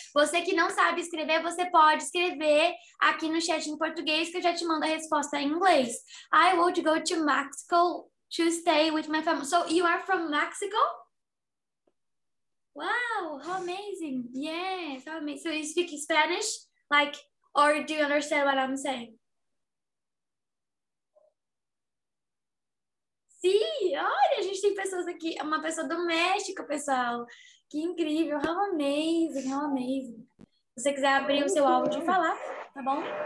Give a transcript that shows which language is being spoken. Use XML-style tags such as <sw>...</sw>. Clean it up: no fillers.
<pt>Você que não sabe escrever, você pode escrever aqui no chat em português que eu já te mando a resposta em inglês.</pt> <en>I would go to Mexico to stay with my family. So, you are from Mexico? What? how amazing. Yes, how amazing. So you speak Spanish? Like, or do you understand what I'm saying?</en> <pt>Sim, olha, a gente tem pessoas aqui, uma pessoa do México, pessoal. Que incrível,</pt> <en>how amazing, how amazing.</en> <pt>Se você quiser abrir o seu áudio e falar, tá bom?</pt>